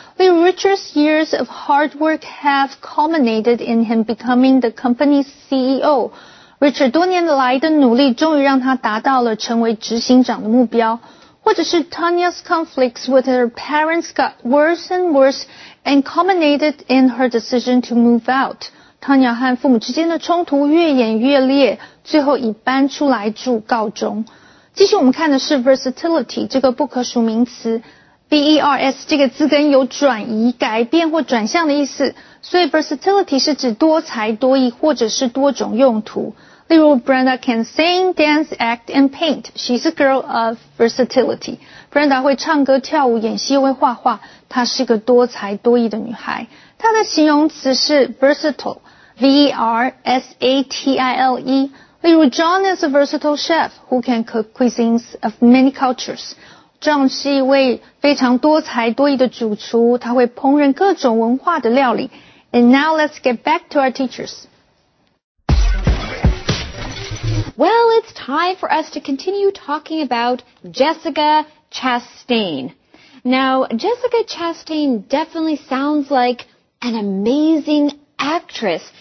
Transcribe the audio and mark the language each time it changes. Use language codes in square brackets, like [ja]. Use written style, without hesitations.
[en] 例如 ，Richard's years of hard work have culminated in him becoming the company's CEO。 [zh] Richard 多年来的努力终于让他达到了成为执行长的目标。 [en] 或者是 Tanya's conflicts with her parents got worse and worse and culminated in her decision to move out。 [zh] Tanya 和父母之间的冲突越演越烈，最后以搬出来住告终。继续我们看的是 versatility 这个不可数名词 ,vers 这个字根有转移、改变或转向的意思，所以 versatility 是指多才多艺或者是多种用途。 [en] 例如 Brenda can sing, dance, act and paint. She's a girl of versatility. [zh] Brenda 会唱歌、跳舞、演戏又会画画，她是个多才多艺的女孩。她的形容词是 versatile,V-E-R-S-A-T-I-L-E。 [en] 例如 John is a versatile chef who can cook cuisines of many cultures. [zh] John 是一位非常多才多艺的主厨，他会烹饪各种文化的料理。 [en] And now let's get back to our teachers. Well, it's time for us to continue talking about Jessica Chastain. Now, Jessica Chastain definitely sounds like an amazing actress.